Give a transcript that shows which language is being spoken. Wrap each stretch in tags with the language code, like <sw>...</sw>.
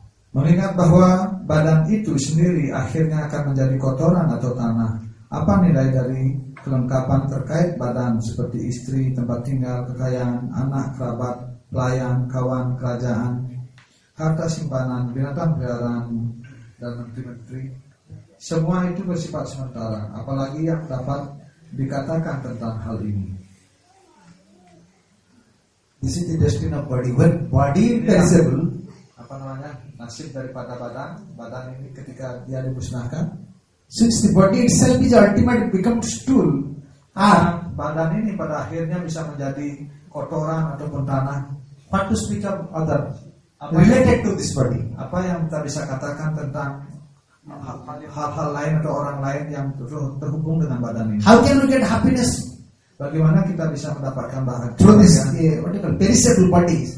<id>Mengingat bahwa badan itu sendiri akhirnya akan menjadi kotoran atau tanah, apa nilai dari kelengkapan terkait badan seperti istri, tempat tinggal, kekayaan, anak, kerabat, pelayan, kawan, kerajaan, harta simpanan, binatang peliharaan, dan menteri-menteri? Semua itu bersifat sementara, apalagi yang dapat dikatakan tentang hal ini.</id> <en>This is the destiny of body. When body perishable,</en> <id>apa namanya, nasib daripada badan, badan ini ketika dia dimusnahkan,</id> <en>since the body itself is ultimate become stool,</en> <id>badan ini pada akhirnya bisa menjadi kotoran ataupun tanah,</id> <en>what to speak of other related to this body?</en> <id>Apa yang kita bisa katakan tentang hal-hal lain atau orang lain yang terhubung dengan badan ini?</id> <en>How can we get happiness?</en> <id>Bagaimana kita bisa mendapatkan bahagia</id> <en>through this whatever perishable body,</en>